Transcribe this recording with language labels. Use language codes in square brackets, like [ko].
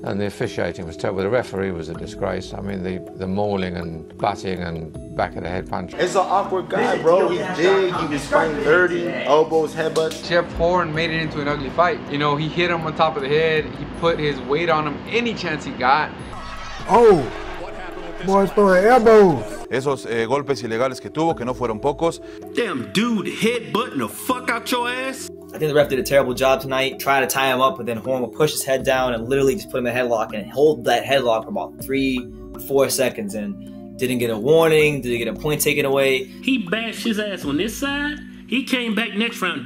[en] And the officiating was terrible. The referee was a disgrace. I mean, the mauling and butting and back of the head punch. It's an awkward guy, bro. He's big, he was fighting dirty, elbows, headbutts. Jeff Horn made it into an ugly fight. You know, he hit him on top of the head, he put his weight on him any chance he got. Oh, what happened with this elbow? [es] Esos golpes ilegales que tuvo, que no fueron pocos. [en] Damn, dude, headbutting the fuck out your ass. I think the ref did a terrible job tonight, trying to tie him up, but then Horn would push his head down and literally just put him in a headlock and hold that headlock for about 3-4 seconds and didn't get a warning, didn't get a point taken away. He bashed his ass on this side. He came back next round.